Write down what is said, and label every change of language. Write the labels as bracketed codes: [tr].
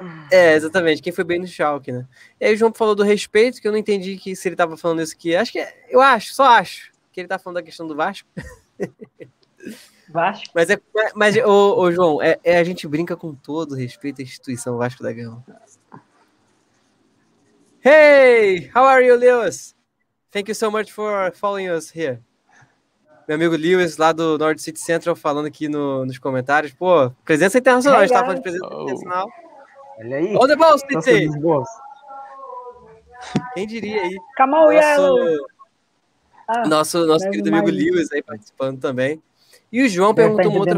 [pt] É, exatamente, quem foi bem no Schalke, né? E aí o João falou do respeito, que eu não entendi que se ele tava falando isso aqui. Acho que eu acho, que ele tá falando da questão do Vasco. Vasco? Mas ô João, a gente brinca com todo o respeito à instituição Vasco da Gama. [en] Hey! How are you, Lewis? Thank you so much for following us here. [pt] Meu amigo Lewis, lá do Nord City Central, falando aqui nos comentários. Pô, presença internacional, a gente tava falando de presença internacional. Olha aí. [en] Hold the ball, City! [pt] Quem diria aí? [en] Come on, Yellow! [pt] Nosso querido amigo Lewis aí participando também. E o João perguntou uma outra